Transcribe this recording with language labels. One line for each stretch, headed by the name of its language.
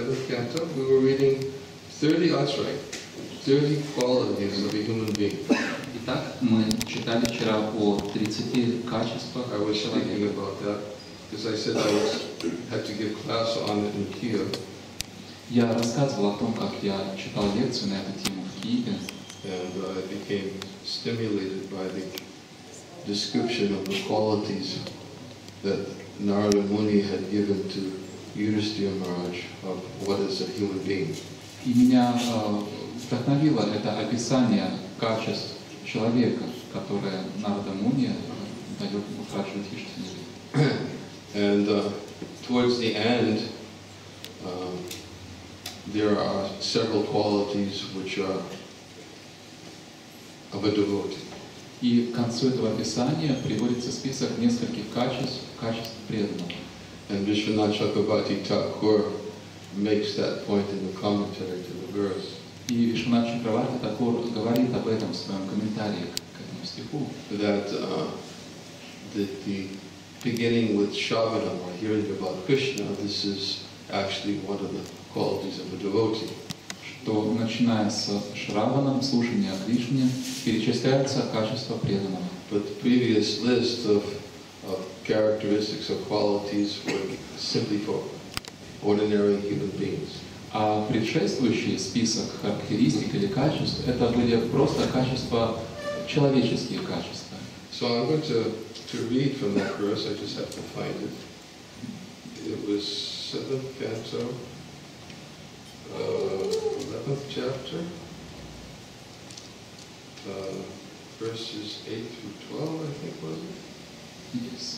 English: Kata, we were reading 30, that's right, 30 qualities of a human being.
Russian: Итак, мы читали вчера о 30 качествах.
English: I was thinking about that, because I said I was, had to give class on it in Kiev.
Russian: Я рассказывал о том, как я читал лекцию на эту тему в Киеве.
English: And I became stimulated by the description of the qualities that Narada Muni had given to Yudhisthira Maharaj of what is a human being.
Russian: И меня вдохновило это описание качеств человека, которое Нарада Муни дает Махараджу Юдхиштхире.
English: And towards the end, there are several qualities which are of a devotee.
Russian: И к концу этого описания приводится список нескольких качеств, качеств преданного.
English: And Vishwanath Chakravarti Thakur makes that point in the commentary to the verse.
Russian: И Вишванат Чакраварти Такур говорит об этом в своем комментарии к этому стиху.
English: That the beginning with Shravanam, or hearing about Krishna, this is actually one of the qualities of a devotee.
Russian: Что начиная с Шраванам, слушания о Кришне, перечисляются качества преданного.
English: But the previous list of characteristics or qualities were simply for ordinary human beings.
Russian: А предшествующий список характеристик или качеств — это были просто качества, человеческие качества.
English: So I'm going to read from that verse, I just have to find it. It was 7th canto, 11th chapter, verses 8 through 12, I think, was it?